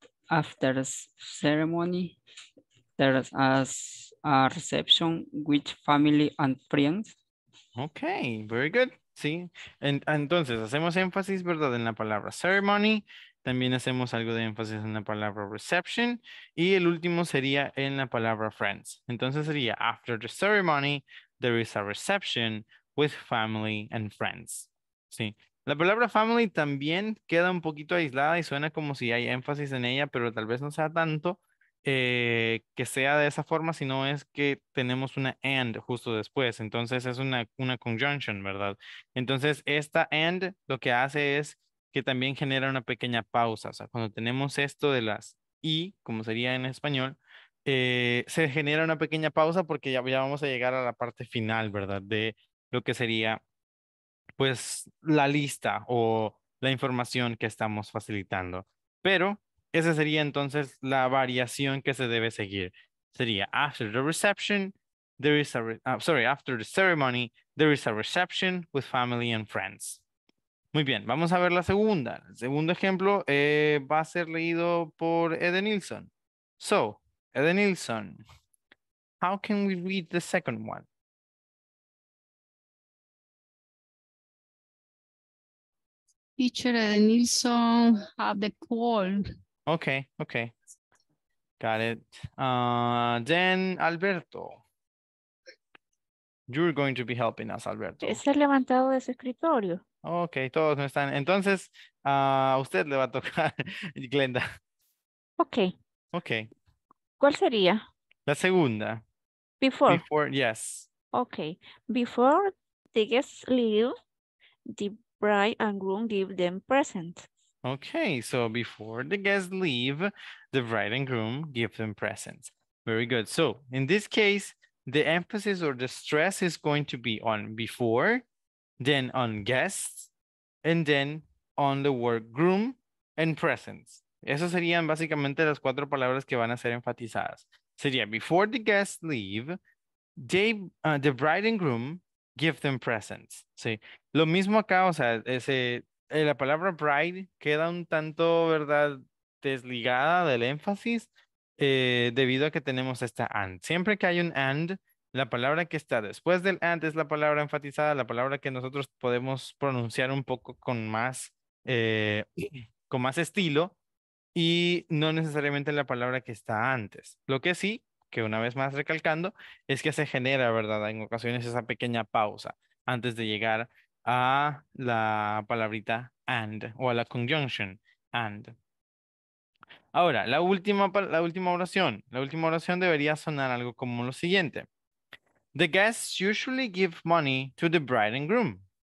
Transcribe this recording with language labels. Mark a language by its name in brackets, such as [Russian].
[English] After ceremony, there's a reception with family and friends. Okay, very good. [Spanish] Sí, entonces hacemos énfasis, ¿verdad?, en la palabra ceremony. También hacemos algo de énfasis en la palabra reception. Y el último sería en la palabra friends. Entonces sería, [English] after the ceremony, there is a reception with family and friends. [Spanish] Sí, la palabra family también queda un poquito aislada y suena como si hay énfasis en ella, pero tal vez no sea tanto que sea de esa forma, sino es que tenemos una and justo después. Entonces es una conjunction, ¿verdad? Entonces esta and lo que hace es que también genera una pequeña pausa. O sea, cuando tenemos esto de las y, como sería en español, se genera una pequeña pausa porque ya vamos a llegar a la parte final, ¿verdad? De lo que sería, pues, la lista o la información que estamos facilitando. Pero esa sería entonces la variación que se debe seguir. Sería, [English] after the reception, there is a after the ceremony, there is a reception with family and friends. [Spanish] Muy bien, vamos a ver la segunda. El segundo ejemplo va a ser leído por Edenilson. [English] So, Edenilson, how can we read the second one? Teacher Edenilson have the call. Okay, okay. Got it. Then Alberto. You're going to be helping us, Alberto. [Spanish] Se ha levantado de su escritorio. Okay, todos no están. Entonces, a usted le va a tocar, Glenda. [English] Okay. Okay. [Spanish] ¿Cuál sería? La segunda. [English] Before. Before, yes. Okay. Before the guests leave, the bride and groom give them presents. Okay, so before the guests leave, the bride and groom give them presents. Very good. So in this case, the emphasis or the stress is going to be on before, then on guests, and then on the word groom and presents. [Spanish] Esas serían básicamente las cuatro palabras que van a ser enfatizadas. Sería [English] before the guests leave, the bride and groom give them presents. [Spanish] Sí. Lo mismo acá, o sea, la palabra bride queda un tanto, ¿verdad?, desligada del énfasis debido a que tenemos esta and. Siempre que hay un and, la palabra que está después del and es la palabra enfatizada, la palabra que nosotros podemos pronunciar un poco con más estilo y no necesariamente la palabra que está antes. Lo que sí, que una vez más recalcando, es que se genera, ¿verdad?, en ocasiones esa pequeña pausa antes de llegar a la palabrita and o a la conjunction and. Ahora, la última oración debería sonar algo como lo siguiente. [English] The guests usually give money to the bride and groom.